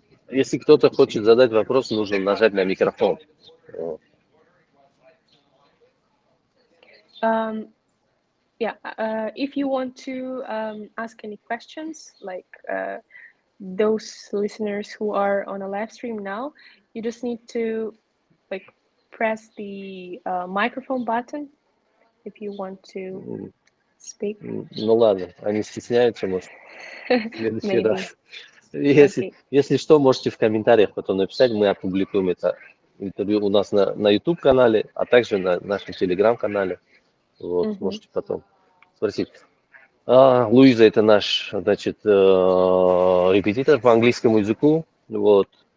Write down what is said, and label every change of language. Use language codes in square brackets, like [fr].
[ru] Если кто-то хочет задать вопрос, нужно нажать на микрофон. [en] Yeah, if you want to ask any questions, like those listeners who are on a live stream now, you just need to like press the microphone button if you want to speak. [ru] Ну ладно, они стесняются, может, в следующий раз. Если что, можете в комментариях потом написать, мы опубликуем это интервью у нас на YouTube-канале, а также на нашем Telegram-канале. Вот, можете потом. Спасибо. Луиза, это наш, значит, репетитор по английскому языку. Вот.